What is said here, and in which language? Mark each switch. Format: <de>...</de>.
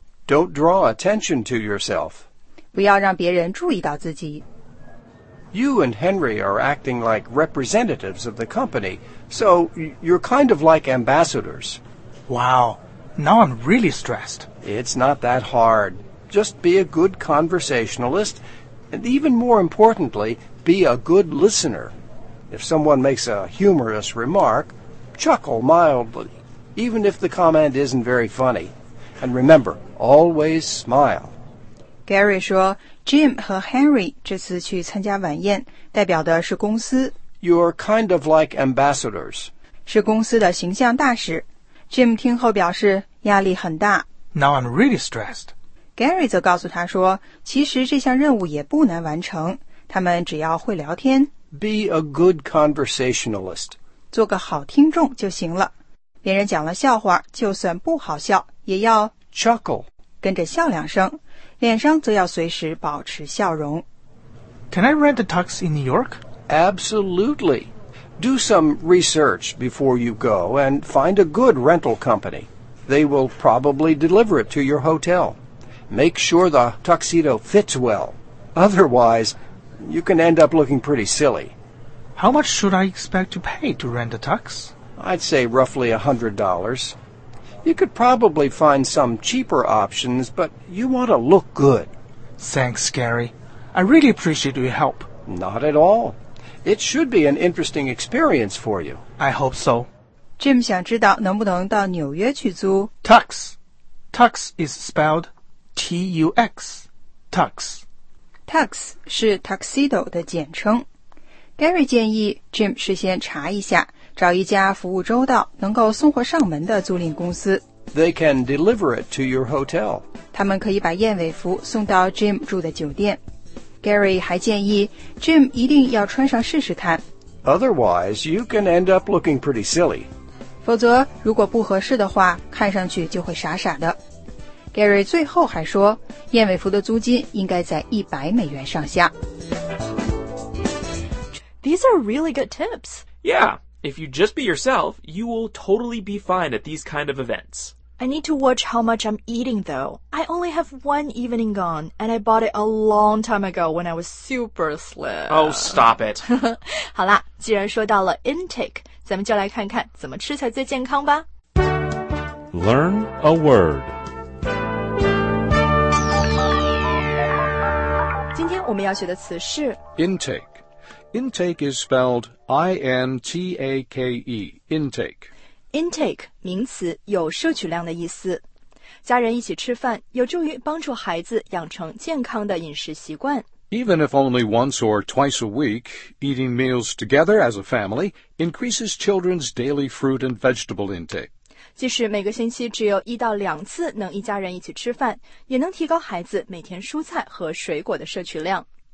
<en>Don't draw attention to yourself.</en> <zh>不要让别人注意到自己。</zh> <en>You and Henry are acting like representatives of the company, so you're kind of like ambassadors. Wow, now I'm really stressed. It's not that hard. Just be a good conversationalist, and even more importantly, be a good listener. If someone makes a humorous remark, chuckle mildly, even if the comment isn't very funny. And remember, always smile.</en> <zh>Gary 说 ,Jim 和 Henry 这次去参加晚宴代表的是公司。</zh> <en>You're kind of like ambassadors.</en> <zh>是公司的形象大使。 Jim 听后表示压力很大。</zh> <en>Now I'm really stressed.</en> <zh>Gary 则告诉他说其实这项任务也不难完成他们只要会聊天。</zh> <en>Be a good conversationalist.</en> <zh>做个好听众就行了。别人讲了笑话就算不好笑也要</zh> <en>chuckle,</en> <zh>跟着笑两声。脸上则要随时保持笑容。</zh> <en>Can I rent a tux in New York? Absolutely. Do some research before you go and find a good rental company. They will probably deliver it to your hotel. Make sure the tuxedo fits well. Otherwise, you can end up looking pretty silly. How much should I expect to pay to rent a tux? I'd say roughly $100. You could probably find some cheaper options, but you want to look good. Thanks, Gary. I really appreciate your help. Not at all. It should be an interesting experience for you. I hope so.</en> <zh>Jim 想知道能不能到纽约去租</zh> <en>Tux. Tux is spelled T-U-X. Tux.</en> <zh>Tux 是 tuxedo 的简称。 Gary 建议 Jim 事先查一下找一家服务周到能够送货上门的租赁公司。</zh> <en>They can deliver it to your hotel.</en> <zh>他们可以把燕尾服送到 Jim 住的酒店。Gary 还建议 Jim 一定要穿上试试看。</zh> <en>Otherwise, you can end up looking pretty silly.</en> <zh>否则如果不合适的话看上去就会傻傻的。 Gary 最后还说燕尾服的租金应该在100美元上下。</zh> <en>These are really good tips. Yeah. If you just be yourself, you will totally be fine at these kind of events. I need to watch how much I'm eating, though. I only have one evening gone, and I bought it a long time ago when I was super slim. Oh, stop it.</en> <zh>好啦，既然说到了 intake, 咱们就来看看怎么吃才最健康吧。</zh> <en>Learn a word.</en> <zh>今天我们要学的词是</zh> <en>intake. Intake is spelled I-N-T-A-K-E, intake.</en> <zh>Intake, 名词有摄取量的意思。家人一起吃饭有助于帮助孩子养成健康的饮食习惯。</zh> <en>Even if only once or twice a week, eating meals together as a family increases children's daily fruit and vegetable intake.</en> <zh>即使每个星期只有一到两次能一家人一起吃饭，也能提高孩子每天蔬菜和水果的摄取量。</zh>